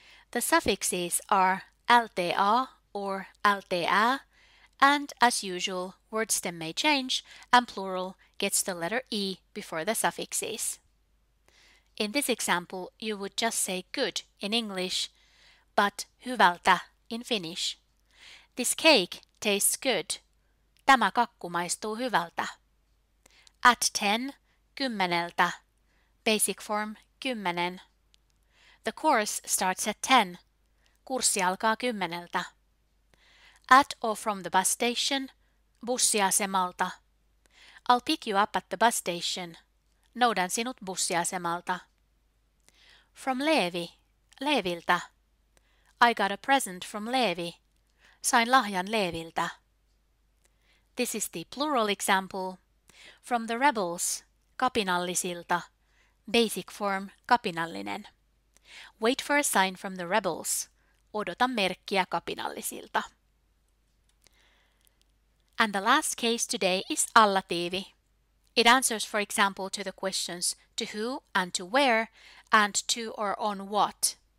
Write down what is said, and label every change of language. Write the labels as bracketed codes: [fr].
[en] The suffixes are lta or lta, and as usual, word stem may change and plural gets the letter e before the suffixes. In this example, you would just say good in English, but [fi] hyvältä [en] in Finnish. This cake tastes good. [fi] Tämä kakku maistuu hyvältä. [en] At 10, [fi] kymmeneltä, [en] basic form [fi] kymmenen. [en] The course starts at 10. [fi] Kurssi alkaa kymmeneltä. [en] At or from the bus station, [fi] bussiasemalta. [en] I'll pick you up at the bus station. [fi] Noudan sinut bussiasemalta. [en] From Levi, [fi] Leviltä. [en] I got a present from Levi. [fi] Sain lahjan Leviltä. [en] This is the plural example. From the rebels, [fi] kapinallisilta. [en] Basic form, [fi] kapinallinen. [en] Wait for a sign from the rebels. [fi] Odota merkkiä kapinallisilta. [en] And the last case today is allatiivi. It answers, for example, to the questions to who and to where, and to or on what.